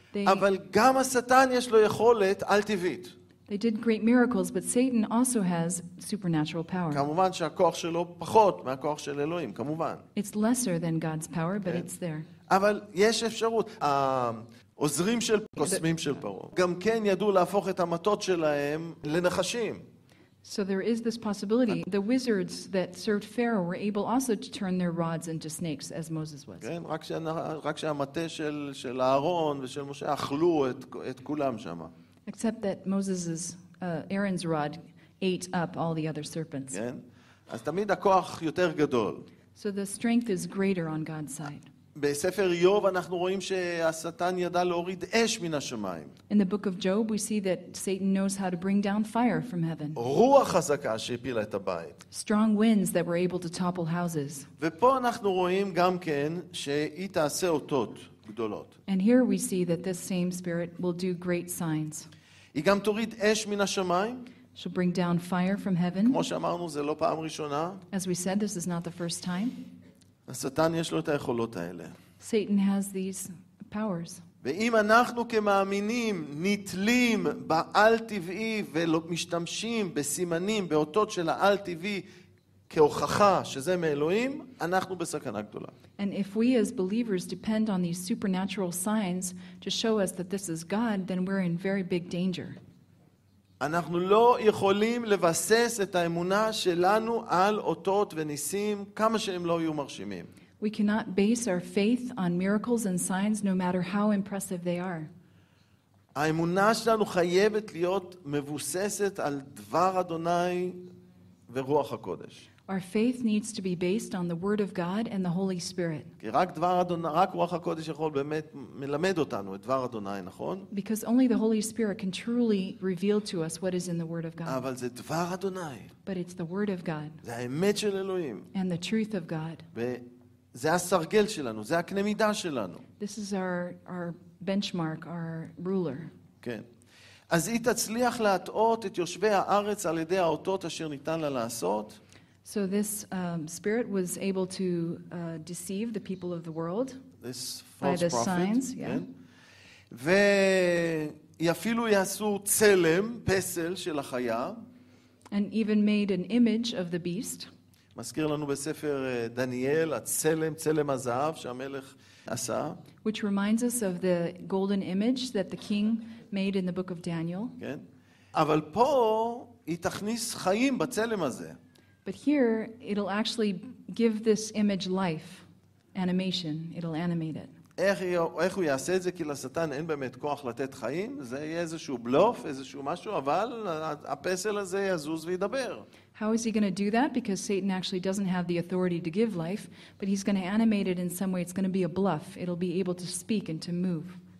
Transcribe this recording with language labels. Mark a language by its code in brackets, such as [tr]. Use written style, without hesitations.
[he] אבל גם השטן יש לו יכולת על טבעית. [en] They did great miracles, but Satan also has supernatural power. [he] כמובן שהכוח שלו פחות מהכוח של אלוהים, כמובן. [en] It's lesser than God's power, but it's there. [he] אבל יש אפשרות. עוזרים של קוסמים של פרו גם כן ידעו להפוך את המטות שלהם לנחשים. [en] So there is this possibility. The wizards that served Pharaoh were able also to turn their rods into snakes as Moses was. [he] כן, רק שהמטה של אהרון ושל משה אכלו את כולם שם. [en] Except that Moses's Aaron's rod ate up all the other serpents. [he] כן. אז תמיד הכוח יותר גדול. [en] So the strength is greater on God's side. [he] בספר יוב אנחנו רואים שהשטן ידע להוריד אש מן השמיים. [en] In the book of Job we see that Satan knows how to bring down fire from heaven. [he] רוח חזקה שהפילה את הבית. [en] Strong winds that were able to topple houses. [he] ופה אנחנו רואים גם כן שהיא תעשה אותות גדולות. [en] And here we see that this same spirit will do great signs. [he] היא גם תוריד אש מן השמיים. [en] She'll bring down fire from heaven. [he] כמו שאמרנו זה לא פעם ראשונה. [en] As we said, this is not the first time. [he] השטן יש לו את היכולות האלה. [en] Satan has these powers. [he] ואם אנחנו כמאמינים נתלים באל-טבעי ומשתמשים בסימנים, באותות של האל-טבעי, כהוכחה שזה מאלוהים, אנחנו בסכנה גדולה. [en] And if we as believers depend on these supernatural signs to show us that this is God, then we're in very big danger. [he] אנחנו לא יכולים לבסס את האמונה שלנו על אותות וניסים כמה שהם לא יהיו מרשימים. [en] We cannot base our faith on miracles and signs no matter how impressive they are. [he] האמונה שלנו חייבת להיות מבוססת על דבר אדוני ורוח הקודש. [en] Our faith needs to be based on the word of God and the Holy Spirit. [he] כי רק דבר אדוני, רק רוח הקודש יכול באמת מלמד אותנו את דבר אדוני, נכון? [en] Because only the Holy Spirit can truly reveal to us what is in the word of God. [he] אבל זה דבר אדוני. [en] But it's the word of God. [he] זה האמת של אלוהים. [en] And the truth of God. [he] זה הסרגל שלנו, זה הקנה מידה שלנו. [en] This is our benchmark, our ruler. [he] כן. אז היא תצליח להטעות את יושבי הארץ על ידי האותות אשר ניתן לה לעשות. [en] So this spirit was able to deceive the people of the world. This false prophet. By the signs, [he] ויפילו יעשו צלם, פסל של החיה. [en] And even made an image of the beast. [he] מזכיר לנו בספר דניאל, הצלם, צלם הזהב שהמלך עשה. [en] Which reminds us of the golden image that the king made in the book of Daniel. [he] כן. אבל פה היא תכניס חיים בצלם הזה. [en] But here it'll actually give this image life, animation, it'll animate it. [he] איך הוא יעשה את זה? כי לשטן אין באמת כוח לתת חיים, זה יהיה איזשהו בלוף, איזשהו משהו, אבל הפסל הזה יזוז וידבר. [en] How is he going to do that? Because Satan actually doesn't have the authority to give life, but he's going to animate it in some way. It's going to be a bluff. It'll be able to speak and to move.